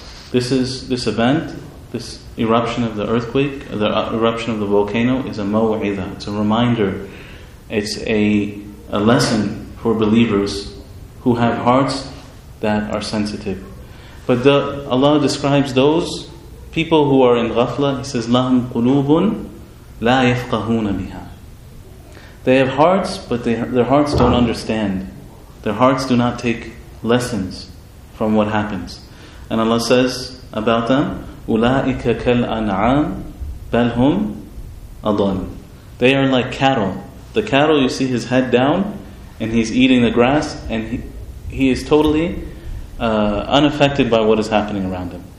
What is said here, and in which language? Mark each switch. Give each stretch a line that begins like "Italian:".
English: This is this event, this eruption of the earthquake, the eruption of the volcano is a maw'idah. It's a reminder. It's a lesson for believers who have hearts that are sensitive. But Allah describes those people who are in ghafla. He says,
Arabic: لَهُمْ قُلُوبٌ لَا يَفْقَهُونَ بِهَا.
English: They have hearts, but their hearts don't understand. Their hearts do not take lessons from what happens. And Allah says about them,
Arabic: أُولَٰئِكَ كَالْأَنْعَامِ بَلْ هُمْ أَضَلُ.
English: They are like cattle. The cattle, you see his head down, and he's eating the grass, and he is totally unaffected by what is happening around him.